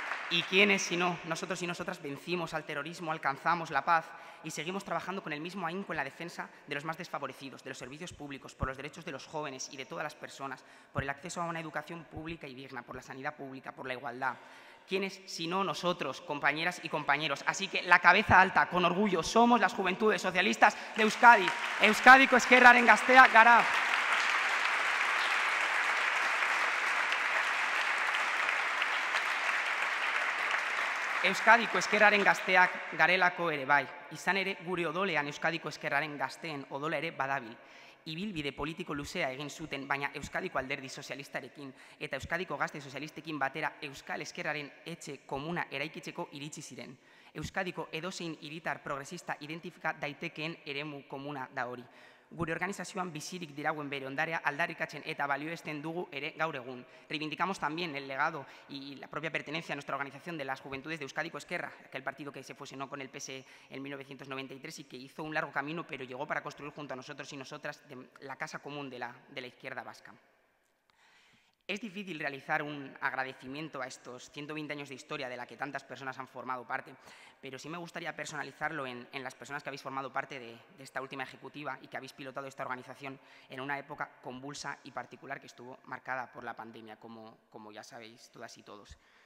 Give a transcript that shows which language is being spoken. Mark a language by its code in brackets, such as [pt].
[es] ¿Y quiénes, si no nosotros y nosotras, vencimos al terrorismo, alcanzamos la paz y seguimos trabajando con el mismo ahínco en la defensa de los más desfavorecidos, de los servicios públicos, por los derechos de los jóvenes y de todas las personas, por el acceso a una educación pública y digna, por la sanidad pública, por la igualdad? ¿Quiénes, si no nosotros, compañeras y compañeros? Así que la cabeza alta, con orgullo, somos las juventudes socialistas de Euskadi. [eu] Euskadiko Ezkerraren Gaztea gara. Euskadiko Ezkerraren Gazteak garelako ere bai, izan ere gure odolean Euskadiko Ezkerraren Gazteen odola ere badabil. Ibilbide politiko luzea egin zuten, baina Euskadiko Alderdi Sozialistarekin eta Euskadiko Gazte Sozialistekin batera Euskal Ezkerraren etxe komuna eraikitzeko iritsi ziren. Euskadiko edozein hiritar progresista identifika daitekeen eremu komuna da hori. Gure organizazioan bizirik dirauen bere ondarea aldarrikatzen eta balioesten dugu ere gaur egun. [es] Reivindicamos también el legado y la propia pertenencia a nuestra organización de las Juventudes de Euskadiko Ezkerra, aquel partido que se fusionó con el PSE en 1993 y que hizo un largo camino, pero llegó para construir junto a nosotros y nosotras la casa común de la izquierda vasca. Es difícil realizar un agradecimiento a estos 120 años de historia de la que tantas personas han formado parte, pero sí me gustaría personalizarlo en las personas que habéis formado parte de esta última ejecutiva y que habéis pilotado esta organización en una época convulsa y particular que estuvo marcada por la pandemia, como ya sabéis todas y todos.